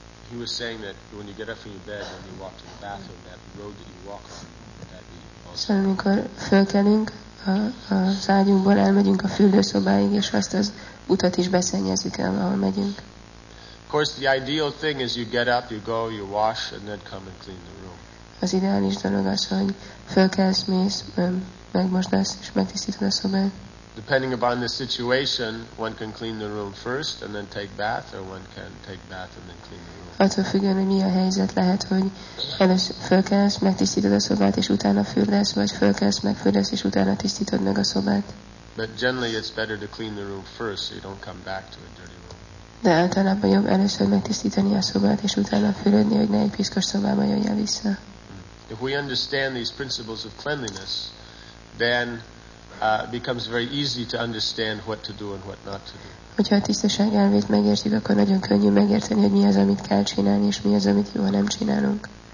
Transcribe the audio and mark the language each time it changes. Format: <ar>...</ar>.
<en>He was saying that when you get up from your bed and you walk to the bathroom, that road that you walk on, that be also...</en> <hu>Szóval, amikor fölkelünk, az ágyunkból elmegyünk a fürdőszobáig, és azt az utat is beszennyezik el, ahol megyünk.</hu> <en>Of course, the ideal thing is you get up, you go, you wash, and then come and clean the room.</en> <hu>Az ideális dolog az, hogy fölkelsz, mész, megmosdasz, és megtisztítod a szobát.</hu> <en>Depending upon the situation, one can clean the room first and then take bath, or one can take bath and then clean the room.</en> <hu>Attól függően, hogy mi a helyzet, lehet, hogy először fölkelsz, megtisztítod a szobát, és utána fürdesz, vagy fölkelsz, megfürdesz, és utána tisztítod meg a szobát.</hu> <en>But generally it's better to clean the room first, so you don't come back to a dirty room.</en> <hu>De általában jobb először megtisztítani a szobát, és utána fürödni, hogy ne egy piszkos szobába jöjjön vissza.</hu> <en>If we understand these principles of cleanliness, then becomes very easy to understand what to do and what not to do.</en> <hu>Hogyha a tisztaság elvét megértjük, akkor nagyon könnyű megérteni, hogy mi az, amit kell csinálni, és mi az, amit jó, nem csinálunk.</hu>